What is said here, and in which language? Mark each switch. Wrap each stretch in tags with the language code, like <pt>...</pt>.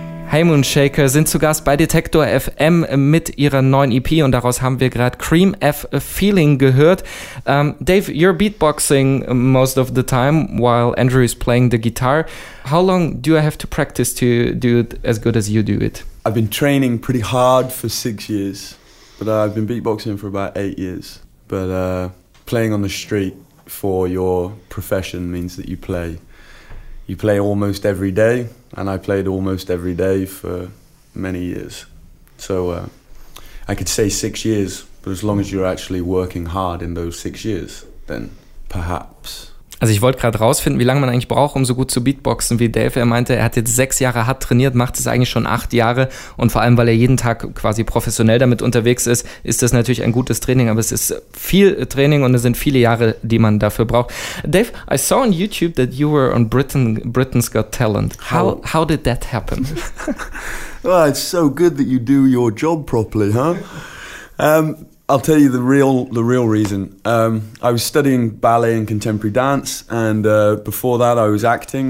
<de>Haim und Shaker sind zu Gast bei Detektor FM mit ihrer neuen EP und daraus haben wir gerade Cream F Feeling gehört.</de> <en>Dave, you're beatboxing most of the time while Andrew is playing the guitar. How long do I have to practice to do it as good as you do it? I've been training pretty hard for 6 years, but I've been beatboxing for about 8 years. But playing on the street for your profession means that you play. You play almost every day, and I played almost every day for many years. So I could say 6 years, but as long as you're actually working hard in those 6 years, then perhaps.</en> <de>Also ich wollte gerade rausfinden, wie lange man eigentlich braucht, um so gut zu beatboxen wie Dave. Er meinte, er hat jetzt 6 Jahre hart trainiert, macht es eigentlich schon 8 Jahre. Und vor allem, weil er jeden Tag quasi professionell damit unterwegs ist, ist das natürlich ein gutes Training. Aber es ist viel Training und es sind viele Jahre, die man dafür braucht.</de> <en>Dave, I saw on YouTube that you were on Britain's Got Talent. How did that happen? Well, it's so good that you do your job properly, huh? I'll tell you the real reason. I was studying ballet and contemporary dance, and before that I was acting.</en>